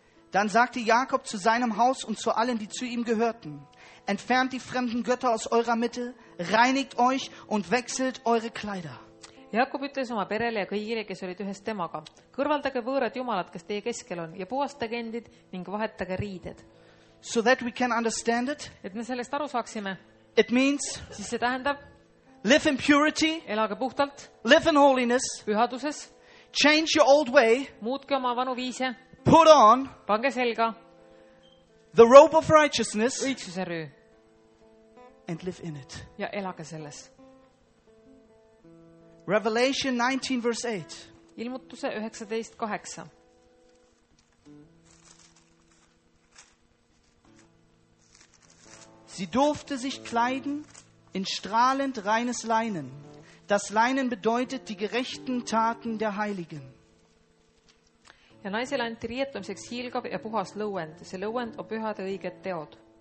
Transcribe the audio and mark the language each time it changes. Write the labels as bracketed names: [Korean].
[German] Dann sagte Jakob zu seinem Haus und zu allen, die zu ihm gehörten, entfernt die fremden Götter aus eurer Mitte, reinigt euch und wechselt eure Kleider. [Estonian] Jakob ütles oma perele ja kõigile, kes olid ühes temaga, kõrvaldage võõrad jumalad, kes teie keskel on, ja puhastage endid ning vahetage riided. [English] So that we can understand it. [Estonian] Et me sellest aru saaksime. [English] It means. [Estonian] Siis see tähendab. [English] Live in purity. [Estonian] Elage puhtalt. [English] Live in holiness. [Estonian] Pühaduses. [English] Change your old way. [Estonian] Muutke oma vanu viise. [English] Put on [Estonian] pange selga [English] the robe of righteousness [Estonian] õigsuse rüü. [English] And live in it. [Estonian] Ja elage selles. [English] Revelation 19 verse 8. [Estonian] Ilmutuse 19:8. [German] Sie durfte sich kleiden in strahlend reines Leinen. Das Leinen bedeutet die gerechten Taten der Heiligen. [Estonian] Ja naisele anti riietumiseks hiilgab ja puhas lõuend. See lõuend on pühade õiged teod.